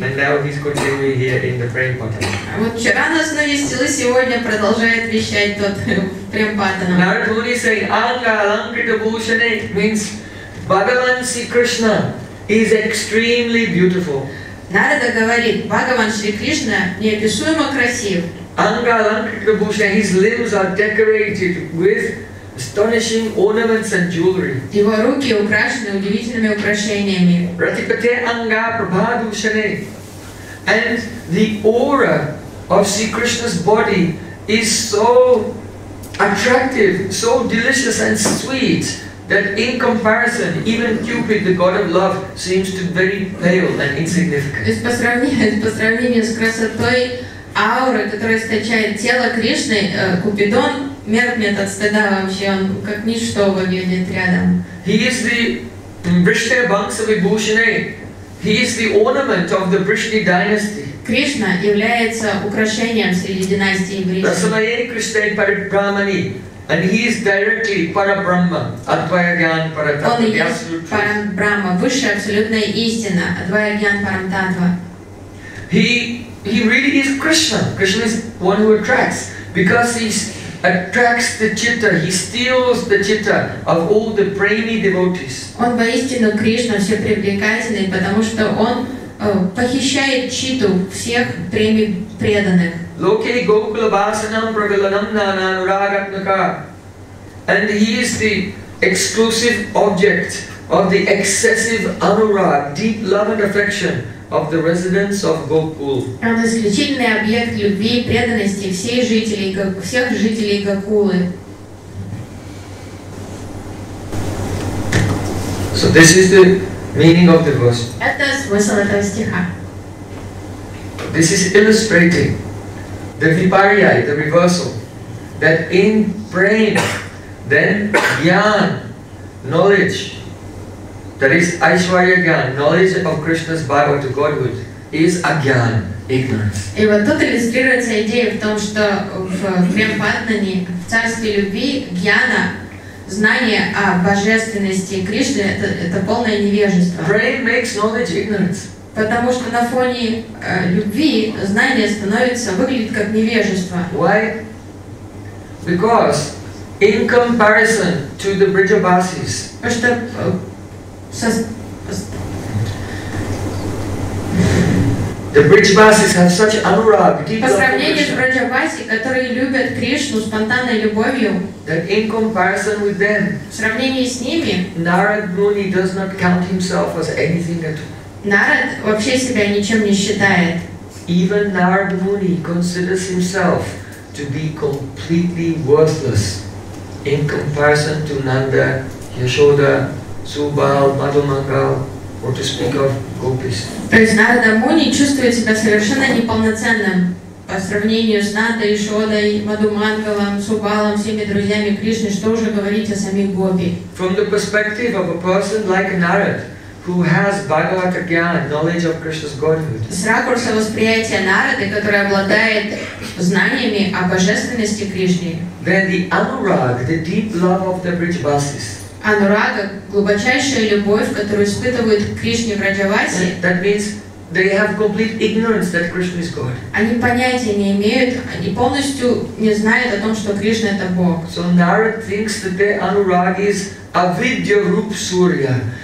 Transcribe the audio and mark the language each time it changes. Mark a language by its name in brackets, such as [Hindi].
[English] And now he's continuing here in the Prem Patana. [Russian] Вот вчера нас навестило, сегодня продолжает вещать тот Prem Patana. [English] Narada Muni say, Anga Alankrita Bhushane means Bhagavan Sri Krishna is extremely beautiful. [Russian] Нарада говорит, Бхагаван Шри Кришна неописуемо красив. [English] Анга-аланкрита-бхушана, his limbs are decorated with astonishing ornaments and jewelry. [Russian] Его руки украшены удивительными украшениями. [Sanskrit] Ратипате анга прабхадушане. [English] And the aura of Sri Krishna's body is so attractive, so delicious and sweet, that in comparison, even Cupid, the god of love, seems to be very pale and insignificant. [Russian] По сравнению с красотой ауры, которая источает тело Кришны, Купидон меркнет от стыда вообще, он как ничто выглядит рядом. [English] He is the Vrishne Vangsa Vibhushane. He is the ornament of the Vrishni dynasty. [Russian] Кришна является украшением среди династии Вриши. [Sanskrit] Расамайе Кришне Парибрамани. [English] And he is directly Parabrahma, Advaya Gyan Paratattva, the absolute truth. [Russian] Parabrahma, высшая абсолютная истина, Advaya Gyan Paratattva. [English] He really is Krishna. Krishna is one who attracts, because he attracts the chitta, he steals the chitta of all the premi devotees. [Russian] Он воистину Кришна, все привлекательный, потому что он похищает читу всех преми преданных. [Sanskrit] Loke Gokula Basanam Pragalanam Nana Nuragatmaka. [English] And he is the exclusive object of the excessive anurag, deep love and affection of the residents of Gokul. [Russian] Он исключительный объект любви и преданности всех жителей Гокулы. [English] So this is the meaning of the verse. [Russian] Это смысл этого стиха. [English] This is illustrating the viparyai, the reversal, that in Prem, then jnana, knowledge, that is aishwarya jnana, knowledge of Krishna's bhava to Godhood, is ajnana, ignorance. [Russian] И вот тут иллюстрируется идея в том, что в Прем-патнане, в царстве любви, jnana, знание о божественности Кришны, это полное невежество. [English] Prem makes knowledge ignorance. [Russian] Потому что на фоне любви знание становится, выглядит как невежество. [English] Why? Because in comparison to the Brijabasis. [Russian] Потому что [English] the Brijabasis have such anurag, deep [Russian] love. По сравнению с Брижабаси, которые любят Кришну спонтанной любовью. [English] That in comparison with them. [Russian] В сравнении с ними. [English] Narad Muni does not count himself as anything at all. [Russian] Narad вообще себя ничем не считает. [English] Even Narad Muni considers himself to be completely worthless in comparison to Nanda, Yashoda, Subal, Madhumangal, or to speak of Gopis. [Russian] То есть Narada Muni чувствует себя совершенно неполноценным по сравнению с Нандой, Яшодой, Мадхумангалом, Субалом, всеми друзьями Кришны, что уже говорить о самих Гопи. [English] From the perspective of a person like Narad. who has Bhagavata Gyan, knowledge of Krishna's Godhood. [Russian] С ракурса восприятия Нарады, который обладает знаниями о божественности Кришны. [English] Then the anurag, the deep love of the Vrijavasis. [Russian] Анурага, глубочайшая любовь, которую испытывают к Кришне в Раджавасе. [English] That means they have complete ignorance that Krishna is God. [Russian] Они понятия не имеют, они полностью не знают о том, что Кришна это Бог. [English] So Narada thinks that the anurag is avidya rup surya.